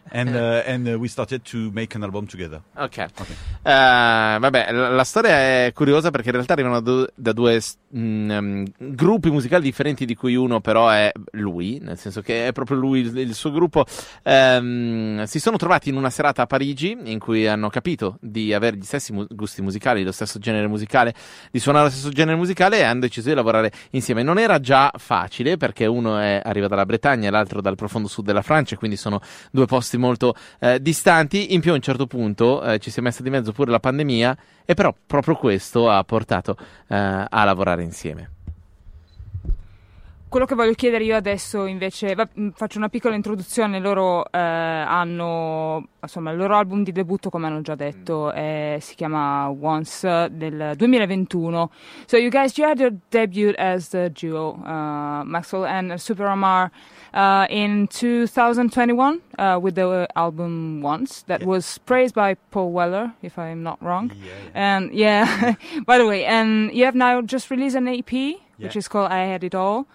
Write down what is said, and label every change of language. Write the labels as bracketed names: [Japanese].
[English] And we started to make an album together. Okay. [Italian] Vabbè, la storia è curiosa, perché in realtà arrivano da due gruppi musicali differenti, di cui uno però è lui, nel senso che è proprio lui il suo gruppo. Si sono trovati in una serata a Parigi, in cui hanno capito di avere gli stessi gusti musicali, lo stesso genere musicale, di suonare lo stesso genere musicale, e hanno deciso di lavorare insieme. Non era già facile, perché uno arriva dalla Bretagna e l'altro dal profondo sud della Francia, quindi sono due posti molto distanti. In più, a un certo punto ci si è messa di mezzo pure la pandemia, e però proprio questo ha portato a lavorare insieme. Quello che voglio chiedere io adesso invece, faccio una piccola introduzione, loro hanno, insomma, il loro album di debutto, come hanno già detto, si chiama Once, del 2021. [English] So you guys, you had your debut as the duo, Maxwell and Super Omar, in 2021 with the album Once, that was praised by Paul Weller, if I'm not wrong. Yeah. And yeah, by the way, and you have now just released an EP, which is called I Had It All.